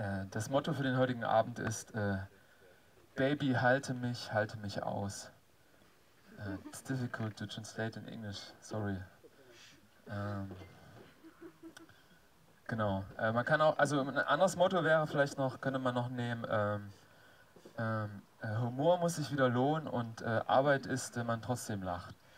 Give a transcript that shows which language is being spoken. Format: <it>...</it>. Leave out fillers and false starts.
<de>Das Motto für den heutigen Abend ist, Baby, halte mich aus.</de> <en>It's difficult to translate in English, sorry.</en> <de>Genau, man kann auch, also ein anderes Motto wäre vielleicht noch, könnte man noch nehmen, Humor muss sich wieder lohnen und Arbeit ist, wenn man trotzdem lacht.</de>